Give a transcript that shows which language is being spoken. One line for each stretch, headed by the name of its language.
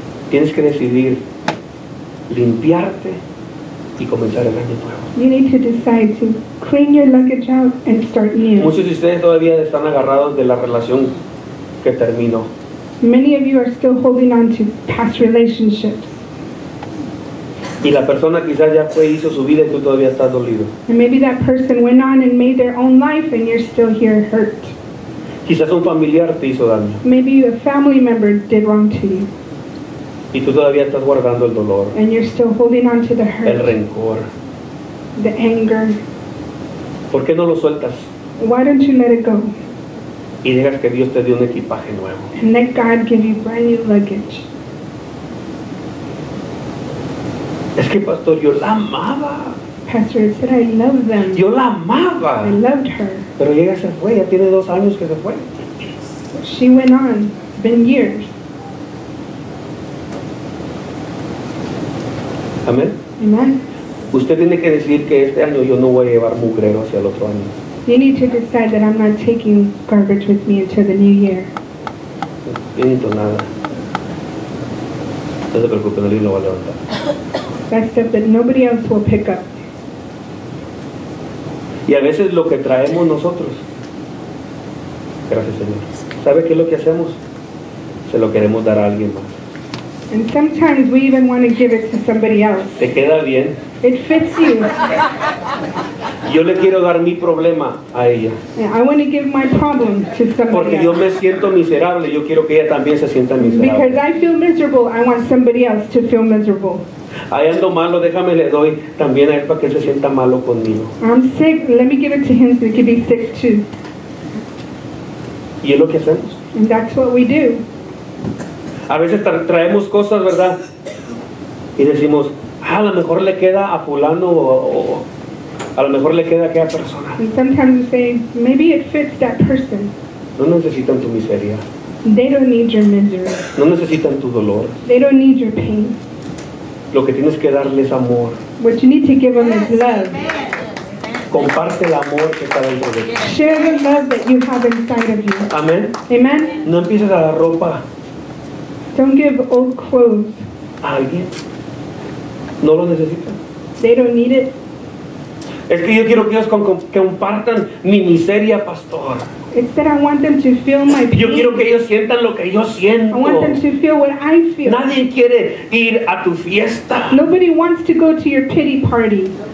Spanish: Tienes que decidir limpiarte y comenzar el año nuevo.
English: You need to decide to clean your luggage out and start new.
Spanish: Muchos de ustedes todavía están agarrados de la relación que terminó.
English: Many of you are still holding on to past relationships.
Spanish: Y la persona quizás ya fue, hizo su vida y tú todavía estás dolido.
English: And maybe that person went on and made their own life and you're still here hurt.
Spanish: Quizás un familiar te hizo daño.
English: Maybe a family member did wrong to you.
Spanish: Y tú todavía estás guardando el dolor.
English: And you're still holding on to the hurt.
Spanish: El rencor.
English: The anger.
Spanish: ¿Por qué no lo sueltas?
English: Why don't you let it go?
Spanish: Y dejas que Dios te dé un equipaje nuevo.
English: And let God give you brand new luggage.
Spanish: Es que pastor, yo la amaba.
English: Pastor said, I love them.
Spanish: Yo la amaba.
English: I loved her.
Spanish: Pero ella se fue, ya tiene 2 años que se fue.
English: She went on, been years.
Spanish: Amén.
English: Amen.
Spanish: Usted tiene que decir que este año yo no voy a llevar mugrero hacia el otro año.
English: You need to decide that I'm not taking garbage with me until the new year.
Spanish: Yo necesito nada. No se preocupe, nadie lo va a levantar.
English: That stuff that nobody else will pick up.
Spanish: Y a veces lo que traemos nosotros, gracias Señor, ¿sabe qué es lo que hacemos? Se lo queremos dar a alguien más.
English: And sometimes we even want to give it to somebody else.
Spanish: ¿Te queda bien?
English: It fits you.
Spanish: Yo le quiero dar mi problema a ella.
English: Yeah, I want to give my problem to somebody else.
Spanish: Porque yo me siento miserable, yo quiero que ella también se sienta miserable.
English: Because I feel miserable, I want somebody else to feel miserable.
Spanish: Ahí ando malo, déjame le doy también a él para que él se sienta malo conmigo.
English: I'm sick, let me give it to him so he can be sick too.
Spanish: ¿Y es lo que hacemos?
English: And that's what we do.
Spanish: A veces traemos cosas, ¿verdad? Y decimos, ah, a lo mejor le queda a fulano o a lo mejor le queda a aquella persona.
English: And sometimes we say, maybe it fits that person.
Spanish: No necesitan tu miseria.
English: They don't need your misery.
Spanish: No necesitan tu dolor.
English: They don't need your pain.
Spanish: Lo que tienes que darle es amor.
English: What you need to give them is love.
Spanish: Comparte el amor que está dentro de ti.
English: Share the love that you have inside of you.
Spanish: Amen.
English: Amen.
Spanish: No empieces a dar ropa.
English: Don't give old clothes.
Spanish: A alguien. No lo necesitan.
English: They don't need it.
Spanish: Es que yo quiero que ellos compartan mi miseria, pastor.
English: It's that I want them to feel my pain.
Spanish: Yo quiero que ellos sientan lo que yo siento.
English: I want them to feel what I feel.
Spanish: Nadie quiere ir a tu fiesta.
English: Nobody wants to go to your pity party.